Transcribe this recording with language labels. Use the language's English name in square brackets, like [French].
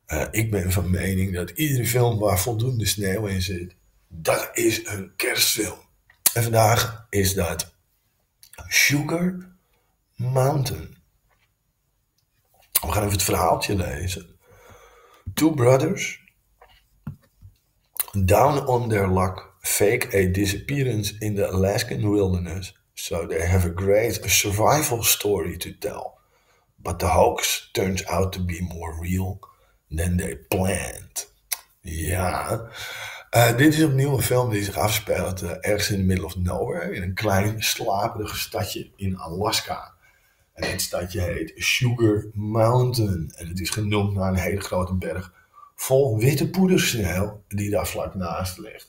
[Dutch] Ik ben van mening dat iedere film waar voldoende sneeuw in zit, dat is een kerstfilm. En vandaag is dat Sugar Mountain. We gaan even het verhaaltje lezen. [English] Two brothers, down on their luck, fake a disappearance in the Alaskan wilderness. So they have a great survival story to tell. But the hoax turns out to be more real than they planned. [Dutch] Ja. Dit is opnieuw een film die zich afspeelt ergens [English] in the middle of nowhere. [Dutch] In een klein slaperig stadje in Alaska. En dit stadje heet Sugar Mountain. En het is genoemd naar een hele grote berg vol witte poedersneeuw die daar vlak naast ligt.